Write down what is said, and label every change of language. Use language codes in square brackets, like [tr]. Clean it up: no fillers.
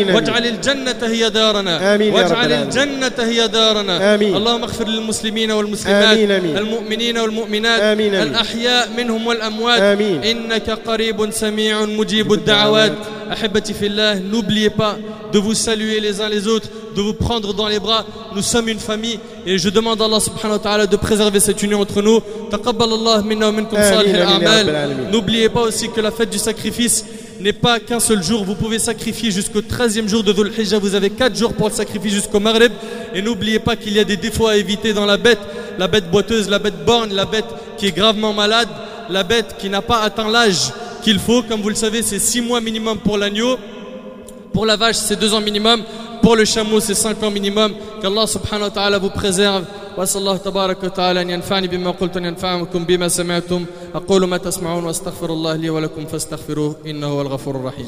[ar] واجعل الجنة هي دارنا. واجعل الجنة هي دارنا. اللهم اغفر للمسلمين والمسلمات. آمين آمين. المؤمنين والمؤمنات. آمين آمين. الأحياء منهم والأموات. آمين. إنك قريب سميع مجيب الدعوات. أحبتي في الله, [fr] نوبليه با de vous saluer les uns les autres, de vous prendre dans les bras. Nous sommes une famille et je demande à Allah subhanahu wa ta'ala de préserver cette union entre nous. Taqabbal Allah minna wa minkum salih al-a'mal. N'oubliez pas aussi que la fête du sacrifice n'est pas qu'un seul jour. Vous pouvez sacrifier jusqu'au 13e jour de Dhul-Hijjah. Vous avez 4 jours pour le sacrifier jusqu'au Maghrib. Et n'oubliez pas qu'il y a des défauts à éviter dans la bête. La bête boiteuse, la bête borne, la bête qui est gravement malade, la bête qui n'a pas atteint l'âge qu'il faut. Comme vous le savez, c'est 6 mois minimum pour l'agneau. Pour la vache, c'est 2 ans minimum. Pour le chameau, c'est 5 ans minimum. Qu'Allah subhanahu wa ta'ala vous préserve. [ar] وصلى الله تبارك وتعالى ان ينفعني بما قلت ان ينفعكم بما سمعتم اقول ما تسمعون واستغفر الله لي ولكم فاستغفروه انه هو الغفور الرحيم